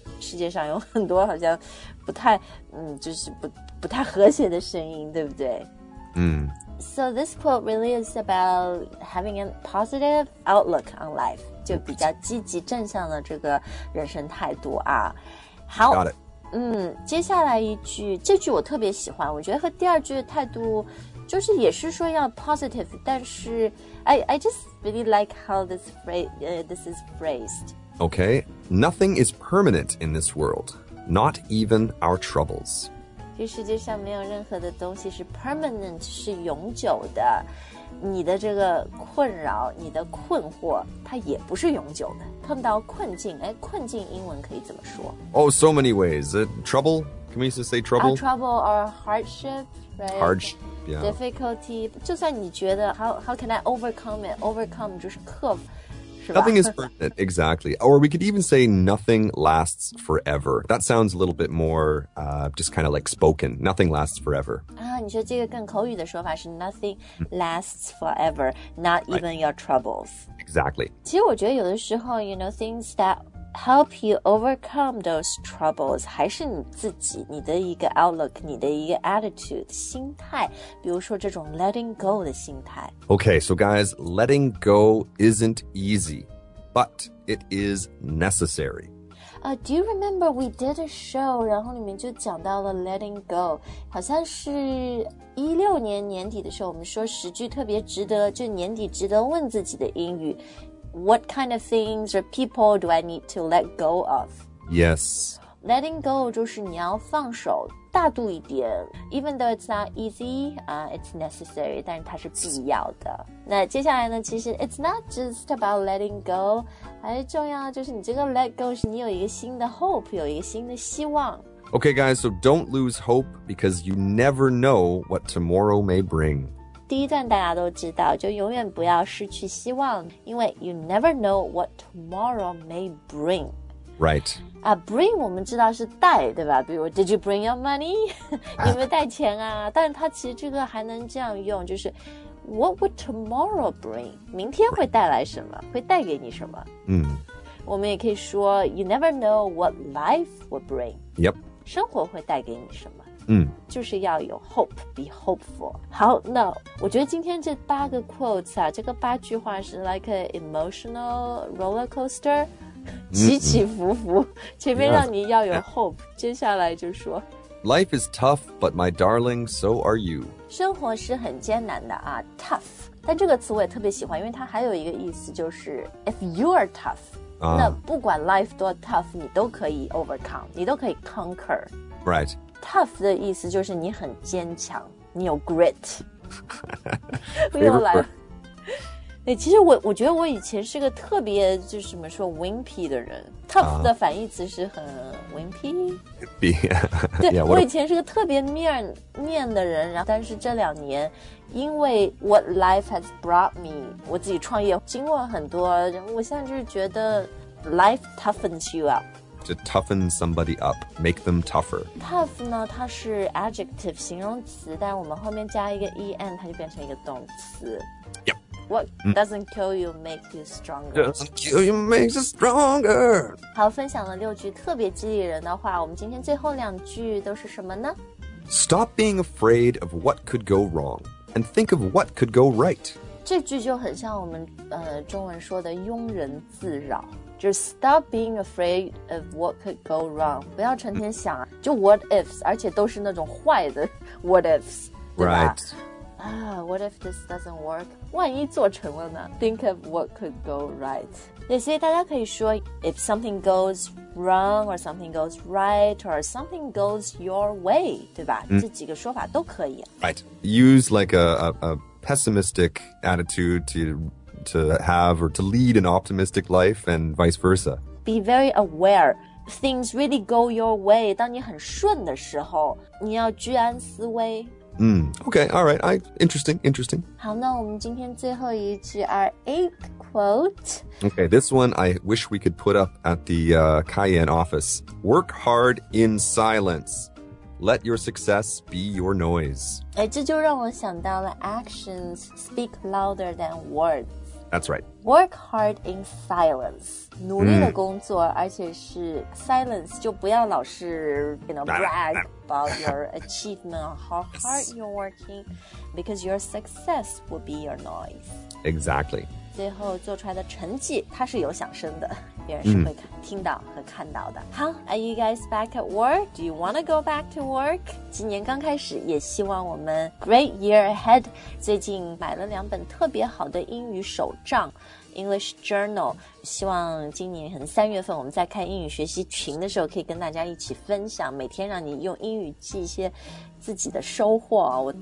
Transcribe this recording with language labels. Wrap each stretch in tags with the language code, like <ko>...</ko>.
<zh>世界上有很多好像不太、就是 不太和谐的声音对不对、</zh> <en>So this quote really is about having a positive outlook on life</en> <zh>就比较积极正向的这个人生态度啊好</zh> <en>Got it、</en> <zh>接下来一句这句我特别喜欢我觉得和第二句的态度就是也是说要 positive 但是</zh> <en>I just really like how this phrase,、this is phrased Okay, nothing is permanent in this world Not even our troubles</en> <zh>这世界上没有任何的东西是 permanent 是永久的你的这个困扰你的困惑它也不是永久的碰到困境哎，困境英文可以怎么说</zh> <en>Oh, so many ways、trouble? Can we just say trouble? Trouble or hardship, right? Hardship Yeah. Difficulty,</en> <zh>就算你觉得</zh> <en>how can I overcome it?</en> <zh>Overcome 就是克服，是吧？</zh> <en>Nothing is permanent, exactly. Or we could even say nothing lasts forever. That sounds a little bit more, just kind of like spoken. Nothing lasts forever.</en> <zh>你说这个更口语的说法是</zh> <en>nothing lasts forever, not even、</en> <zh>right.</zh> <en>your troubles. Exactly.</en> <zh>其实我觉得有的时候</zh> <en>you know, things that help you overcome those troubles</en> <zh>还是你自己你的一个 outlook 你的一个 attitude 心态比如说这种 letting go 的心态</zh> <en>Okay, so guys, letting go isn't easy but it is necessary Do you remember we did a show</en> <zh>然后里面就讲到了 letting go 好像是16年年底的时候我们说十句特别值得就年底值得问自己的英语</zh> <en>What kind of things or people do I need to let go of? Yes.</en> <zh>Letting go 就是你要放手大度一点</zh> <en>Even though it's not easy,it's necessary</en> <zh>但是它是必要的那接下来呢其实</zh> <en>it's not just about letting go</en> <zh>还是重要的就是你这个 let go 是你有一个新的 hope 有一个新的希望</zh> <en>Okay guys, so don't lose hope because you never know what tomorrow may bring</en> <zh>第一段大家都知道就永远不要失去希望因为</zh> <en>you never know what tomorrow may bring Right.</en> <zh>Bring 我们知道是带对吧比如</zh> <en>did you bring your money?</en> <zh>有没有带钱啊但是它其实这个还能这样用就是</zh> <en>what would tomorrow bring?</en> <zh>明天会带来什么会带给你什么、我们也可以说</zh> <en>you never know what life will bring. Yep.</en> <zh>生活会带给你什么嗯、就是要有</zh> <en>hope, be hopeful.</en> <zh>好那我觉得今天这八个 quotes 啊这个八句话是</zh> <en>like an emotional roller coaster,</en> <zh>起起伏伏前面让你要有 hope, 接下来就说</zh> <en>Life is tough, but my darling, so are you.</en> <zh>生活是很艰难的啊 tough, 但这个词我也特别喜欢因为它还有一个意思就是</zh> <en>if you are tough,、</en> <zh>那不管 life 多 tough, 你都可以 overcome, 你都可以 conquer.</zh> <en>Right.</en> <zh>Tough 的意思就是你很坚强，你有 grit。又来了。其实我觉得我以前是个特别就是什么说 wimpy 的人。 Tough 的反义词是很 wimpy。对，</zh> <en>yeah,</en> <zh>我以前是个特别面的人，然后但是这两年，因为</zh> <en>what life has brought me，</en> <zh>我自己创业经过很多，我现在就是觉得</zh> <en>life toughens you up。 To toughen somebody up, make them tougher.</en> <zh>Tough 呢，它是 adjective 形容词，但我们后面加一个 en， 它就变成一个动词。</zh> <en>Yep. What doesn't kill you makes you stronger. Doesn't kill you makes you stronger.</en> <zh>好，分享了六句特别激励人的话，我们今天最后两句都是什么呢？</zh> <en>Stop being afraid of what could go wrong and think of what could go right.</en> <zh>这句就很像我们中文说的庸人自扰。</zh> <en>Just stop being afraid of what could go wrong.</en> <zh>不要成天想、就 what ifs, 而且都是那种坏的 what ifs, 对吧</zh> <en>Right.、 what if this doesn't work?</en> <zh>万一做成了呢</zh> <en>Think of what could go right.</en> <zh>也所以大家可以说</zh> <en>if something goes wrong, or something goes right, or something goes your way,</en> <zh>对吧、这几个说法都可以。</zh> <en>Right. Use like a pessimistic attitude to have or to lead an optimistic life and vice versa. Be very aware. Things really go your way.</en> <zh>当你很顺的时候你要居安思危。</zh> <en>Okay, all right. Interesting.</en> <zh>好那我们今天最后一句</zh> <en>our eighth quote. Okay, this one I wish we could put up at the Cayenne office. Work hard in silence. Let your success be your noise.</en> <zh>哎，这就让我想到了</zh> <en>actions speak louder than words. That's right. Work hard in silence.</en> <zh>努力的工作，而且是 silence， 就不要老是</zh> <en>you know brag about your achievement or how hard you're working, because your success will be your noise. Exactly.</en> <zh>最后做出来的成绩，它是有响声的。别人是会听到和看到的。</zh> <en>好 ，Are you guys back at work? Do you want to go back to work?</en> <zh>今年刚开始，也希望我们</zh> <en>great year ahead。</en> <zh>最近买了两本特别好的英语手账 ，English Journal。希望今年可能三月份我们再开英语学习群的时候，可以跟大家一起分享，每天让你用英语记一些自己的收获。</zh>